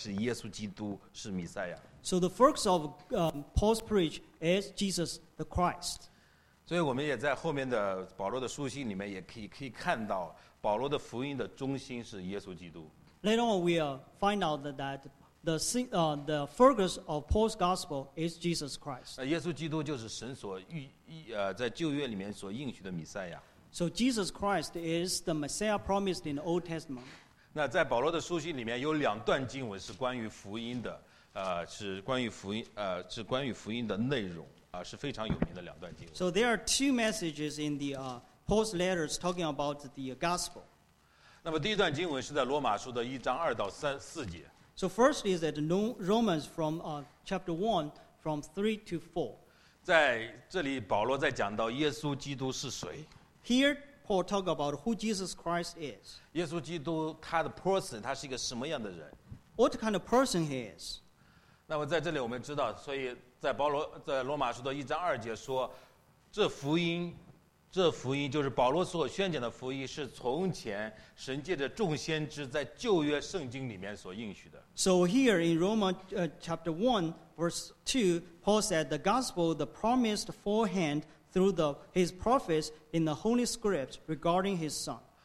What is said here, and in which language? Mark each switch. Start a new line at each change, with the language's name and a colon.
Chinese: 所以我们在这里看到保罗宣讲的重点，他的聚焦点是耶稣基督是弥赛亚。
English: So the focus of Paul's preach is Jesus the Christ.
Chinese: 所以我们也在后面的保罗的书信里面也可以看到，保罗的福音的中心是耶稣基督。
English: Later on, we find out that the focus of Paul's gospel is Jesus Christ.
Chinese: 耶稣基督就是神所预在旧约里面所应许的弥赛亚。
English: So Jesus Christ is the Messiah promised in the Old Testament.
Chinese: 那在保罗的书信里面有两段经文是关于福音的，是关于福音的内容，是非常有名的两段经文。
English: So there are two messages in the Paul's letters talking about the gospel.
Chinese: 那么第一段经文是在罗马书的一章二到三四节。
English: So first is that Romans from chapter 1, from 3 to 4.
Chinese: 在这里保罗在讲到耶稣基督是谁。
English: Here Paul talk about who Jesus Christ is.
Chinese: 耶稣基督他的 person, 他是一个什么样的人。
English: What kind of person he is.
Chinese: 那么在这里我们知道，所以在保罗在罗马书的一章二节说，这福音。这福音就是保罗所宣讲的福音，是从前神借着众先知在旧约圣经里面所应许的。
English: So here in Romans chapter 1 verse 2, Paul said the gospel, the promised forehand through his prophets in the Holy Scripts regarding his son.